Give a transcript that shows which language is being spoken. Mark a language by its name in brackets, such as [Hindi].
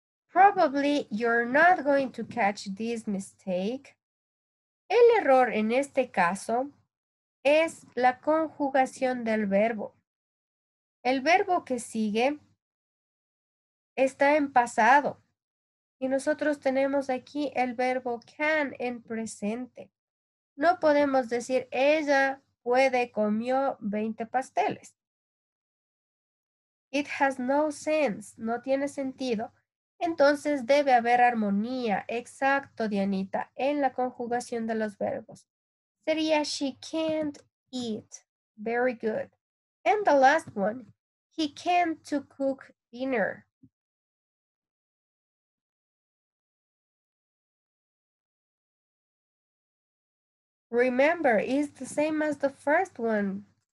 [English] Probably you're not going to catch this mistake. [Spanish] El error en este caso es la conjugación del verbo. El verbo que sigue está en pasado. Y nosotros tenemos aquí el verbo can en presente. No podemos decir ella puede comió 20 pasteles. [English] It has no sense. [Spanish] No tiene sentido. Entonces debe haber armonía, exacto, Dianita, en la conjugación de los verbos. Sería [English] she can't eat. Very good. And the last one, he can't to cook dinner. Remember, it's the same as the first one.